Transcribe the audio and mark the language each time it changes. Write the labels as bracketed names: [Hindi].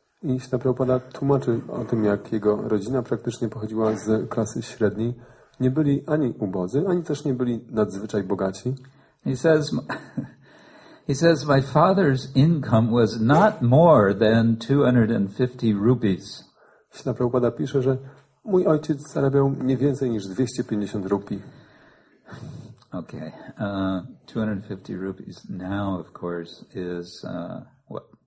[Polish] I Śla Prabhupada tłumaczy o tym, jak jego rodzina praktycznie pochodziła z klasy średniej. Nie byli ani ubodzy, ani też nie byli nadzwyczaj bogaci. [English] He says my father's income was not more than 250 rupees. [Polish] Śla Prabhupada pisze, że mój ojciec zarabiał nie więcej niż 250 rupii. [English] Okay. 250 rupees now of course is what?